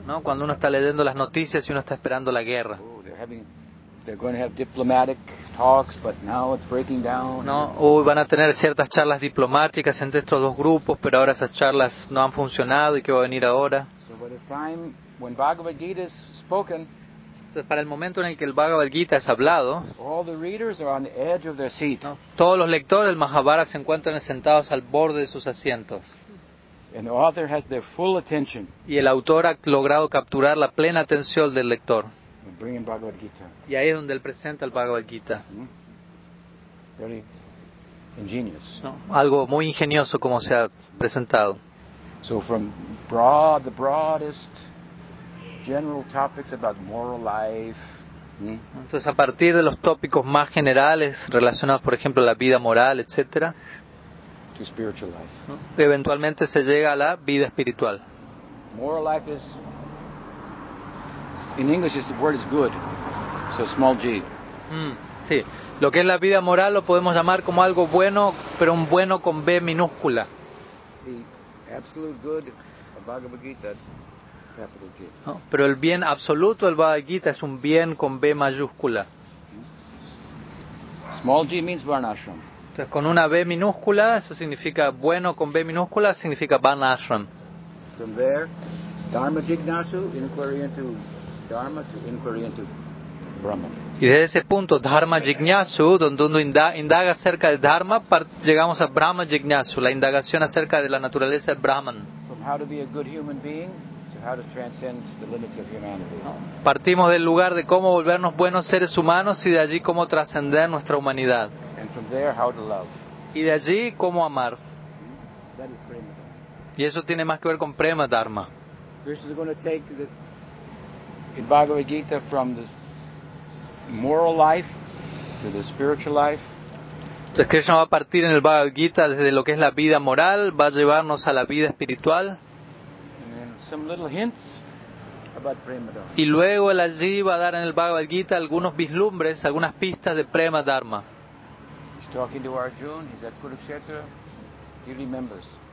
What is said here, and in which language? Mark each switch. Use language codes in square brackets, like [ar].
[es] No, cuando uno está leyendo las noticias y uno está esperando la guerra. [en] Oh, they're going to have diplomatic talks, but now it's breaking down. [es] No, van a tener ciertas charlas diplomáticas entre estos dos grupos, pero ahora esas charlas no han funcionado y qué va a venir ahora. [en] So by the time when Bhagavad Gita is spoken, [es] entonces, para el momento en el que el Bhagavad Gita es hablado, [en] all the readers are on the edge of their seat. [es] No, todos los lectores del Mahabharata se encuentran sentados al borde de sus asientos. [en] And the author has their full attention. [es] Y el autor ha logrado capturar la plena atención del lector. [en] And bring in Bhagavad Gita. [es] Y ahí es donde él presenta el Bhagavad Gita. [en] Very ingenious. [es] No, algo muy ingenioso como se ha presentado. [en] So from broad, the broadest general topics about moral life. [es] Entonces a partir de los tópicos más generales relacionados, por ejemplo, a la vida moral, etcétera. [en] Spiritual life. [es] ¿No? Eventualmente se llega a la vida espiritual. [en] Moral life is, in English, the word is good, so small g. [es] Sí. Lo que es la vida moral lo podemos llamar como algo bueno, pero un bueno con b minúscula. [en] The absolute good of Bhagavad Gita, capital G. [es] ¿No? Pero el bien absoluto del Bhagavad Gita es un bien con b mayúscula. [en] Small g means varnashram. [es] Entonces, con una B minúscula, eso significa bueno, con B minúscula, significa Varnashram. [en] From there, Dharma Jignasu, inquiry into Dharma, to inquiry into Brahma. [es] Y desde ese punto, Dharma Jignasu, donde uno indaga acerca de Dharma, llegamos a Brahma Jignasu, la indagación acerca de la naturaleza de Brahman. [en] From how to be a good human being, to how to transcend the limits of humanity. [es] Partimos del lugar de cómo volvernos buenos seres humanos y de allí cómo trascender nuestra humanidad. [en] And from there, how to love. [es] Y de allí, cómo amar. [en] That is prema. [es] Y eso tiene más que ver con prema dharma. [en] Krishna is going to take the in Bhagavad Gita from the moral life to the spiritual life. [es] Entonces Krishna va a partir en el Bhagavad Gita desde lo que es la vida moral, va a llevarnos a la vida espiritual. [en] And then some little hints about prema dharma. [es] Y luego él allí va a dar en el Bhagavad Gita algunos vislumbres, algunas pistas de prema dharma. [en] Talking to Arjuna, he's at Kurukshetra, he remembers.